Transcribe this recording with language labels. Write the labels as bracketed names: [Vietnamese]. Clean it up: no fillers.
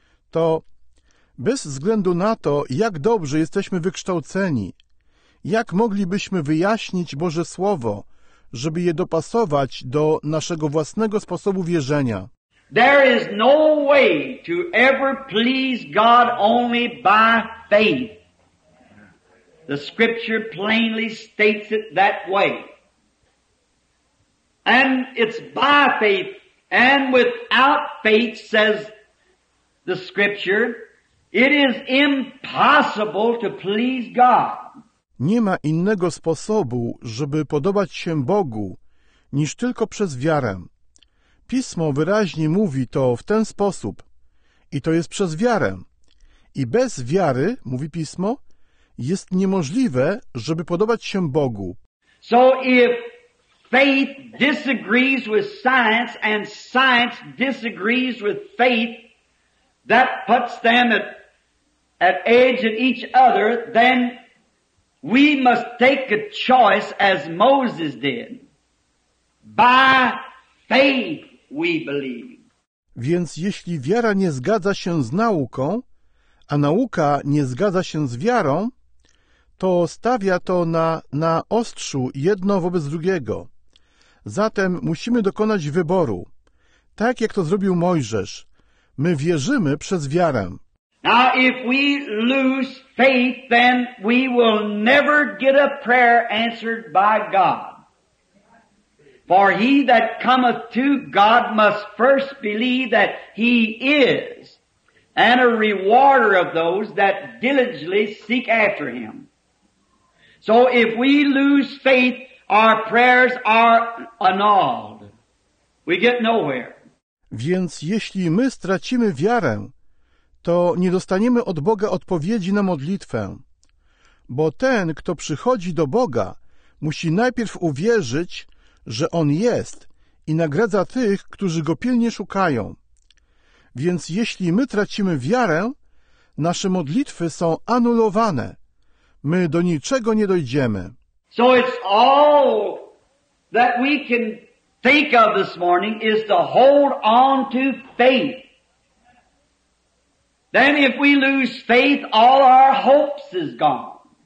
[Polish] To bez względu na to, jak dobrze jesteśmy wykształceni, jak moglibyśmy wyjaśnić Boże Słowo, żeby je dopasować do naszego własnego sposobu wierzenia? [English] There is no way to ever please God only by faith. The scripture plainly states it that way. And it's by faith and without faith, says the scripture, it is impossible to please God. [Polish] Nie ma innego sposobu, żeby podobać się Bogu, niż tylko przez wiarę. Pismo wyraźnie mówi to w ten sposób, i to jest przez wiarę. I bez wiary, mówi Pismo, jest niemożliwe, żeby podobać się Bogu. [English] So if faith disagrees with science and science disagrees with faith, that puts them at edge at each other, then we must take a choice as Moses did. By faith we believe. [Polish] Więc jeśli wiara nie zgadza się z nauką, a nauka nie zgadza się z wiarą, to stawia to na ostrzu jedno wobec drugiego. Zatem musimy dokonać wyboru. Tak jak to zrobił Mojżesz. My wierzymy przez wiarę. [English] Now if we lose faith, then we will never get a prayer answered by God. For he that cometh to God must first believe that he is, and a rewarder of those that diligently seek after him. So if we lose faith, our prayers are annulled. We get nowhere. [Polish] Więc jeśli my stracimy wiarę, to nie dostaniemy od Boga odpowiedzi na modlitwę. Bo ten, kto przychodzi do Boga, musi najpierw uwierzyć, że On jest i nagradza tych, którzy Go pilnie szukają. Więc jeśli my tracimy wiarę, nasze modlitwy są anulowane. My do niczego nie dojdziemy. [English] So it's all that we can think of this morning is to hold on to faith. Then if we lose faith, all our hopes is gone.